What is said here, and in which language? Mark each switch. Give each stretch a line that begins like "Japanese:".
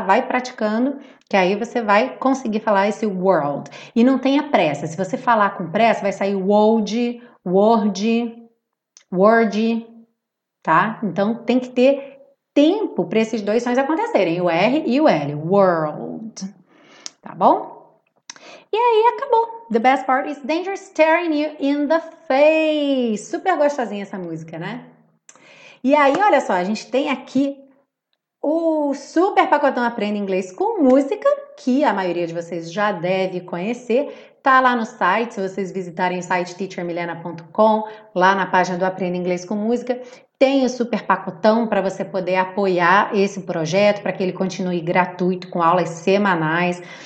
Portuguese: Vai praticando, que aí você vai conseguir falar esse world. E não tenha pressa. Se você falar com pressa, vai sair wold, word, word, tá? Então tem que ter tempo para esses dois sons acontecerem, o R e o L, world. Tá bom? E aí, acabou.
English: The best part is danger staring you in the face.
Portuguese: Super gostosinha essa música, né? E aí, olha só, a gente tem aqui o super pacotão Aprenda Inglês com Música, que a maioria de vocês já deve conhecer. Tá lá no site, se vocês visitarem o site teachermilena.com, lá na página do Aprenda Inglês com Música, tem o super pacotão para você poder apoiar esse projeto, para que ele continue gratuito com aulas semanais.